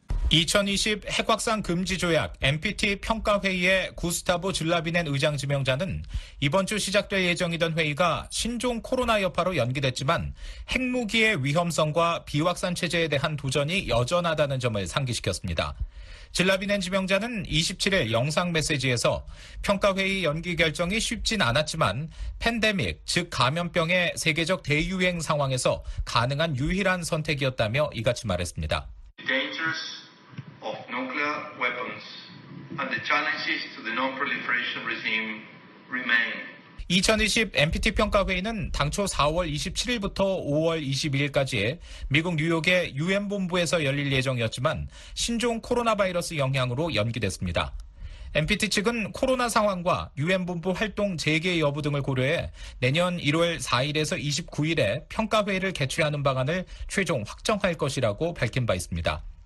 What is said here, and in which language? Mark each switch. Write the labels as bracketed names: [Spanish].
[Korean] 2020 핵확산 금지 조약 NPT 평가 회의의 구스타보 줄라비넨 의장 지명자는 이번 주 시작될 예정이던 회의가 신종 코로나 여파로 연기됐지만 핵무기의 위험성과 비확산 체제에 대한 도전이 여전하다는 점을 상기시켰습니다. 질라비넨 지명자는 27일 영상 메시지에서 평가회의 연기 결정이 쉽진 않았지만 팬데믹, 즉 감염병의 세계적 대유행 상황에서 가능한 유일한 선택이었다며 이같이 말했습니다. [English] The dangers of nuclear weapons and the challenges to the non-proliferation regime remain. [Korean] 2020 NPT 평가회의는 당초 4월 27일부터 5월 21일까지에 미국 뉴욕의 UN 본부에서 열릴 예정이었지만 신종 코로나 바이러스 영향으로 연기됐습니다. NPT 측은 코로나 상황과 UN 본부 활동 재개 여부 등을 고려해 내년 1월 4일에서 29일에 평가회의를 개최하는 방안을 최종 확정할 것이라고 밝힌 바 있습니다.